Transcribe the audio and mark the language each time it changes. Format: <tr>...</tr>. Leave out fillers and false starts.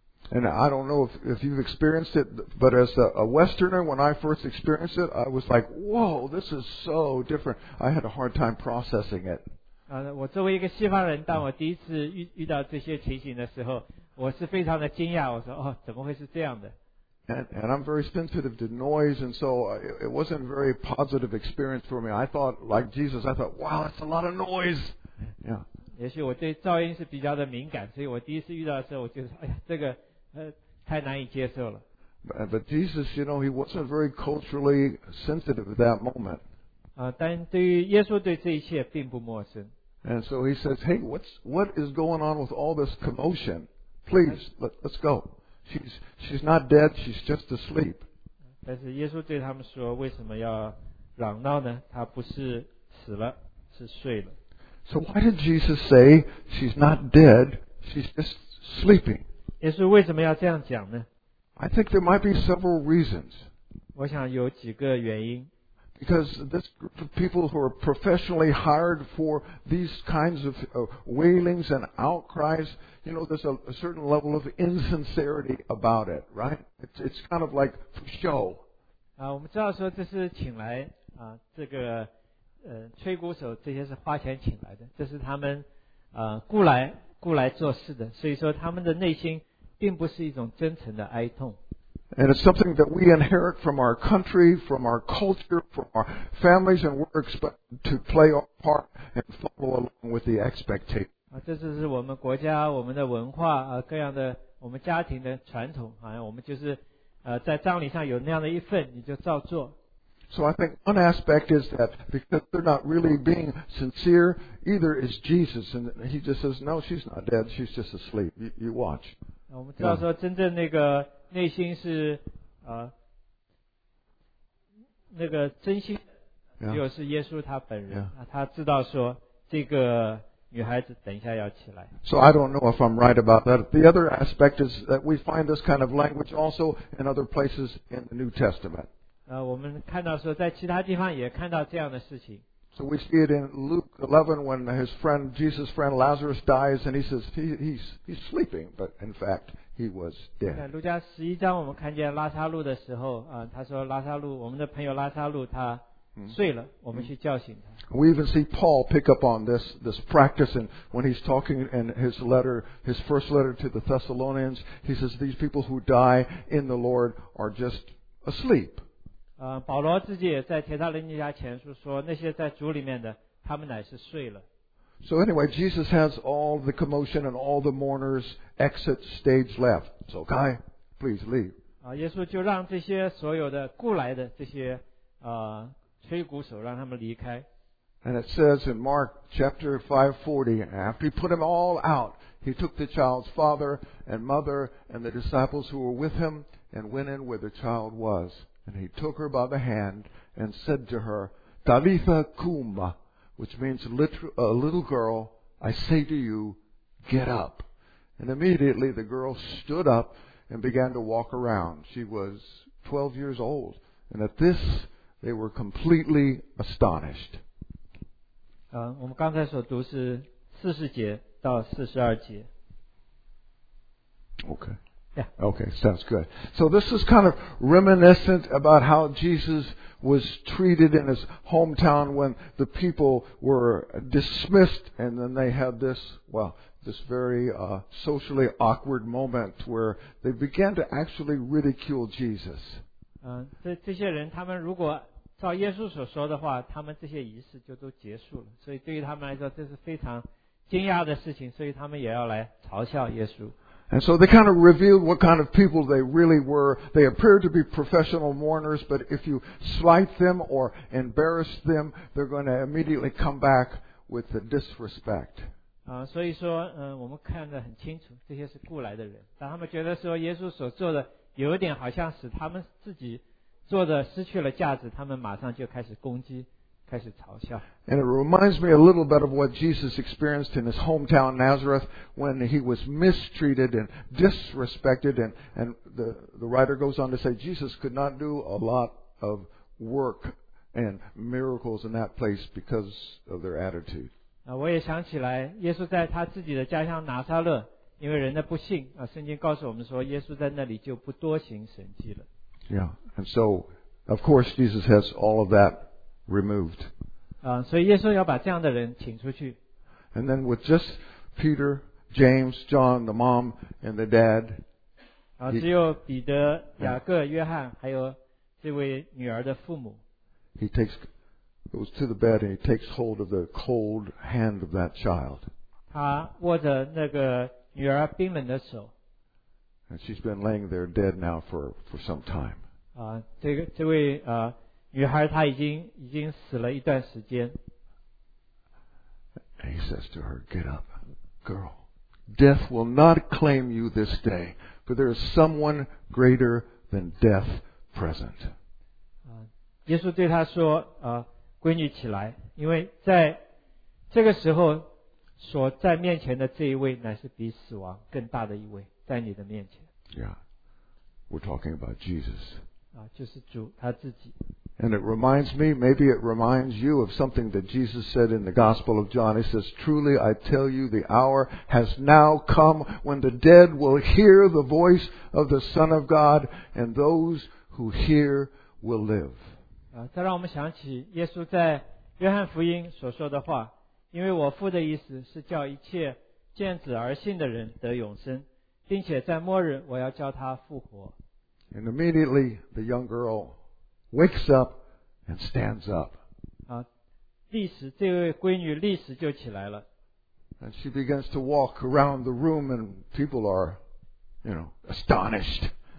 <en>And I don't know if you've experienced it, but as a Westerner, when I first experienced it, I was like, "Whoa, this is so different." I had a hard time processing it.</en> <zh>我作为一个西方人，当我第一次遇到这些情形的时候，我是非常的惊讶。我说，怎么会是这样的？</zh> <en>And I'm very sensitive to noise, and so it wasn't a very positive experience for me. I thought, like Jesus, I thought, "Wow, that's a lot of noise." Yeah.</en> <zh>也许我对噪音是比较的敏感，所以我第一次遇到的时候，我就说，这个太难以接受了。</zh> <en>But Jesus, you know, he wasn't very culturally sensitive at that moment.</en> <zh>但对于耶稣对这一切并不陌生。</zh> <en>And so he says, "Hey, what is going on with all this commotion? Please, let's go. She's not dead. She's just asleep."</en> <zh>但是耶稣对他们说为什么要嚷闹呢他不是死了是睡了</zh> <en>So why did Jesus say she's not dead she's just sleeping</en> <zh>耶稣为什么要这样讲呢</zh> <en>I think there might be several reasons</en> <zh>我想有几个原因</zh> <en>Because this group of people who are professionally hired for these kinds of wailings and outcries, you know, there's a certain level of insincerity about it, right? It's kind of like for show.</en> <zh>啊，我们知道说这是请来啊，这个吹鼓手这些是花钱请来的，这是他们雇来做事的，所以说他们的内心并不是一种真诚的哀痛。</zh> <en>And it's something that we inherit from our country, from our culture, from our families and works, but to play our part and follow along with the expectation.</en> <zh>啊，这就是我们国家、我们的文化啊，各样的我们家庭的传统，好像我们就是在葬礼上有那样的一份，你就照做。</zh> <en>So I think one aspect is that because they're not really being sincere, either is Jesus, and he just says, "No, she's not dead. She's just asleep. You watch."</en> <zh>啊，我们知道说真正那个。内心是那个真心的，就是耶稣他本人。</zh> <en>Yeah.</en> <zh>啊、他知道说这个女孩子等一下要起来。</zh> <en>So I don't know if I'm right about that. The other aspect is that we find this kind of language also in other places in the New Testament.</en> <zh>我们看到说在其他地方也看到这样的事情。</zh> <en>So we see it in Luke 11 when his friend Jesus' friend Lazarus dies, and he says he's sleeping, but in fact. He was dead.</en> <zh>在路加十一章，我们看见拉撒路的时候，他说拉撒路，我们的朋友拉撒路，他睡了，我们去叫醒他。</zh> <en>We even see Paul pick up on this practice, and when he's talking in his letter, his first letter to the Thessalonians, he says these people who die in the Lord are just asleep.</en> <zh>保罗自己也在帖撒罗尼迦前书说，那些在主里面的，他们乃是睡了。</zh> <en>So anyway, Jesus has all the commotion and all the mourners exit stage left. So, guy, please leave.</en> <zh>耶稣就让这些所有的雇来的这些吹鼓手让他们离开。</zh> <en>And it says in Mark chapter 5:40, after he put them all out, he took the child's father and mother and the disciples who were with him and went in where the child was. And he took her by the hand and said to her, Talitha kum. Which means a little girl, I say to you, get up. And immediately the girl stood up and began to walk around. She was 12 years old. And at this, they were completely astonished.</en> <zh>我们刚才所读是40节到42节。</zh> <en>Okay. Yeah. Okay, sounds good. So this is kind of reminiscent about how Jesus... was treated in his hometown when the people were dismissed and then they had this very socially awkward moment where they began to actually ridicule Jesus.</en> <zh>这些人他们如果照耶稣所说的话他们这些仪式就都结束了所以对于他们来说这是非常惊讶的事情所以他们也要来嘲笑耶稣。</zh> <en>And so they kind of revealed what kind of people they really were. They appeared to be professional mourners, but if you slight them or embarrass them, they're going to immediately come back with the disrespect.</en> <zh>所以说，我们看得很清楚，这些是雇来的人。当他们觉得说耶稣所做的有点好像使他们自己做的失去了价值，他们马上就开始攻击。</zh> <en>And it reminds me a little bit of what Jesus experienced in his hometown Nazareth when he was mistreated and disrespected and the writer goes on to say Jesus could not do a lot of work and miracles in that place because of their attitude.</en> <zh>我也想起来耶稣在他自己的家乡拿撒勒因为人的不幸圣经告诉我们说耶稣在那里就不多行神迹了。</zh> <en>Yeah, and so of course Jesus has all of that removed.</en> <zh>所以耶稣要把这样的人请出去。</zh> <en>And then with just Peter, James, John, the mom and the dad.</en> <zh>只有彼得、雅各、约翰还有这位女儿的父母。</zh> <en>He goes to the bed and he takes hold of the cold hand of that child.</en> <zh>他握着那个女儿冰冷的手。</zh> <en>And she's been laying there dead now for some time.</en> <zh>这位女孩她已经死了一段时间。</zh> <en>And he says to her, get up, girl. Death will not claim you this day, for there is someone greater than death present.</en> <zh>耶稣对他说闺女起来，因为在这个时候所在面前的这一位乃是比死亡更大的一位，在你的面前。</zh> <en>Yeah, we're talking about Jesus.</en> <zh>就是主他自己。</zh> <en>And it reminds me, maybe it reminds you of something that Jesus said in the Gospel of John. He says, truly I tell you, the hour has now come when the dead will hear the voice of the Son of God, and those who hear will live.</en> <zh>这让我们想起耶稣在约翰福音所说的话，因为我父的意思是叫一切见子而信的人得永生，并且在末日我要叫他复活。</zh> <en>And immediately the young girl wakes up and stands up.</en> <zh>立时这位闺女立时就起来了。</zh> <en>And she begins to walk around the room and people are, you know, astonished.</en>